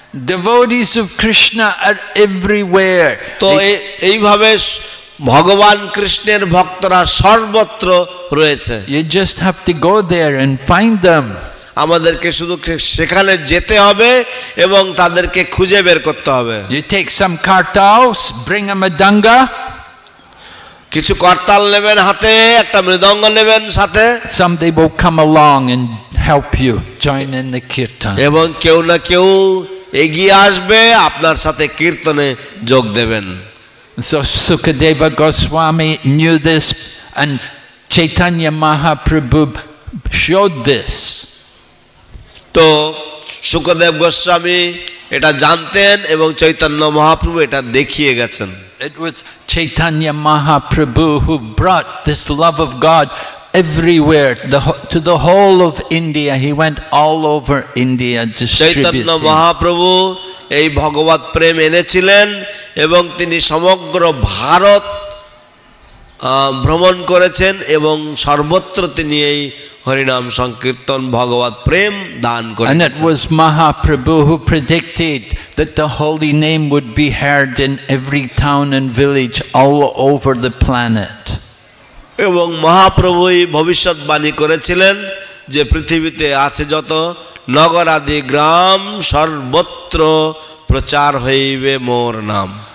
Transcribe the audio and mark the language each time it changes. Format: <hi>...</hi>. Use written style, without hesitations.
<en>Devotees of Krishna are everywhere.</en> <bn>তো এইভাবে ভগবান কৃষ্ণের ভক্তরা সর্বত্র রয়েছে।</bn> <en>You just have to go there and find them.</en> <bn>আমাদেরকে শুধু সেখানে যেতে হবে এবং তাদেরকে খুঁজে বের করতে হবে।</bn> <en>You take some kartals, bring a madanga.</en> <bn>কিছু কর্তাল নেবেন হাতে, একটা মৃদঙ্গ নেবেন সাথে।</bn> <en>Some they will come along and help you join in the kirtan.</en> <bn>এবং কেউ না কেউ এগিয়ে আসবে, আপনার সাথে কীর্তনে যোগ দেবেন।</bn> <en>So Sukadeva Goswami knew this and Chaitanya Mahaprabhu showed this.</en> <bn>তো সুখদেব গোস্বামী এটা জানতেন এবং চৈতন্য মহাপ্রভু এটা দেখিয়ে গেছেন।</bn> <en>It was Chaitanya Mahaprabhu who brought this love of God everywhere, to the whole of India. He went all over India distributing.</en> <bn>Chaitanya Mahaprabhu এই ভগবত প্রেম এনেছিলেন এবং তিনি সমগ্র ভারত ভ্রমণ করেছেন এবং সর্বত্র তিনি এই হরিনাম সংকীর্তন ভগবত প্রেম দান করেছেন।</bn> <en>And it was Mahaprabhu who predicted that the holy name would be heard in every town and village all over the planet.</en> <bn>এবং মহাপ্রভুই ভবিষ্যৎবাণী করেছিলেন যে পৃথিবীতে আছে যত নগর আদি গ্রাম সর্বত্র প্রচার হইবে মোর নাম।</bn>